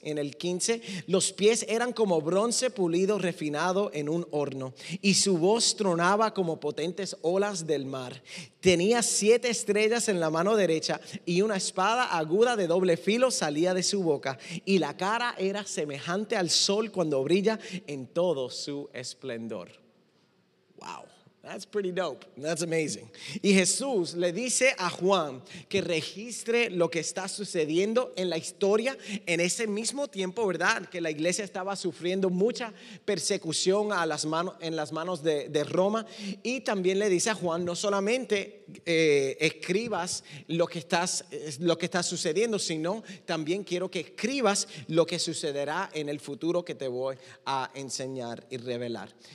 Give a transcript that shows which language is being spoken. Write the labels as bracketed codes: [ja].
[es] En el 15, los pies eran como bronce pulido refinado en un horno, y su voz tronaba como potentes olas del mar. Tenía 7 estrellas en la mano derecha, y una espada aguda de doble filo salía de su su boca, y la cara era semejante al sol cuando brilla en todo su esplendor. [en] Wow, that's pretty dope, that's amazing. [es] Y Jesús le dice a Juan que registre lo que está sucediendo en la historia en ese mismo tiempo, ¿verdad? Que la iglesia estaba sufriendo mucha persecución en las manos de Roma. Y también le dice a Juan, no solamente escribas lo que está sucediendo, sino también quiero que escribas lo que sucederá en el futuro que te voy a enseñar y revelar.